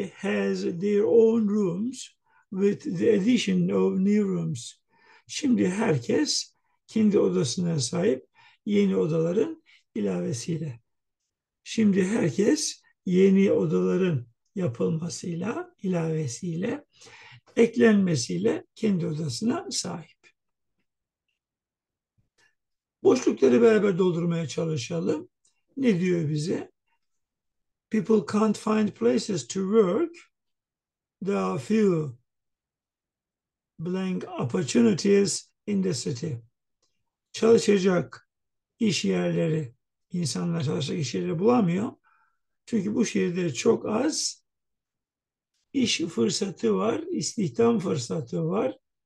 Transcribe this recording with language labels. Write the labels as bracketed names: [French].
[English] Now everybody has their own rooms with the addition of new rooms. [Turkish] Şimdi herkes kendi odasına sahip yeni odaların ilavesiyle. Şimdi herkes yeni odaların yapılmasıyla, ilavesiyle, eklenmesiyle kendi odasına sahip. Boşlukları beraber doldurmaya çalışalım. Ne diyor bize? [English] People can't find places to work. There are few blank opportunities in the city. [Turkish] Çalışacak iş yerleri, insanlar çalışacak iş yerleri bulamıyor. Çünkü bu şehirde çok az İş fırsatı var, istihdam fırsatı var.